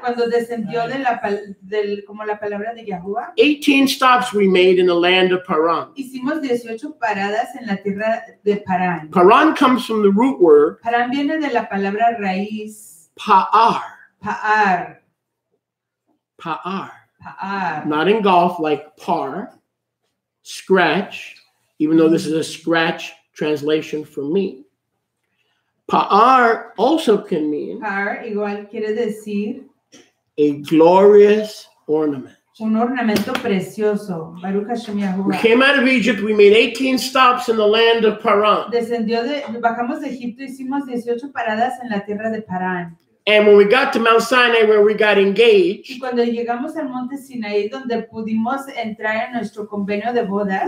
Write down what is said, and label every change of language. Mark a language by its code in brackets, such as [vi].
[es] Cuando descendió de la, del, como la palabra de Yahuwah. [en] 18 stops we made in the land of Paran. [es] Hicimos 18 paradas en la tierra de Paran. [en] Paran comes from the root word. [es] Paran viene de la palabra raíz. [he] Pa'ar. Pa'ar. Pa'ar. Pa'ar. [en] Not in golf like par. Scratch. Even though this is a scratch translation for me. Pa'ar also can mean [es] par igual quiere decir [en] a glorious ornament. [es] Un ornamento precioso. [he] Baruch Hashem Yahuwah. [en] We came out of Egypt, we made 18 stops in the land of Paran. [es] Descendió de, bajamos de Egipto, hicimos 18 paradas en la tierra de Paran. [en] And when we got to Mount Sinai where we got engaged, [es] y cuando llegamos al Monte Sinai donde pudimos entrar en nuestro convenio de bodas,